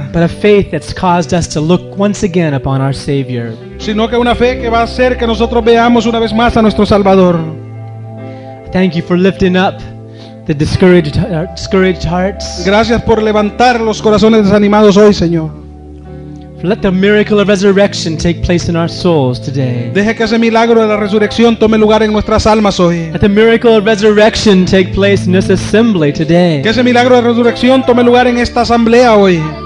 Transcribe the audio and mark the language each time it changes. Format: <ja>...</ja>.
<en>But a faith that's caused us to look once again upon our Savior.</en> <es>Sino que una fe que va a hacer que nosotros veamos una vez más a nuestro Salvador.</es> <en>Thank you for lifting up the discouraged hearts.</en> <es>Gracias por levantar los corazones desanimados hoy, Señor.</es> <en>Let the miracle of resurrection take place in our souls today.</en> <es>Deje que ese milagro de la resurrección tome lugar en nuestras almas hoy.</es> <en>Let the miracle of resurrection take place in this assembly today.</en> <es>Que ese milagro de resurrección tome lugar en esta asamblea hoy.</es>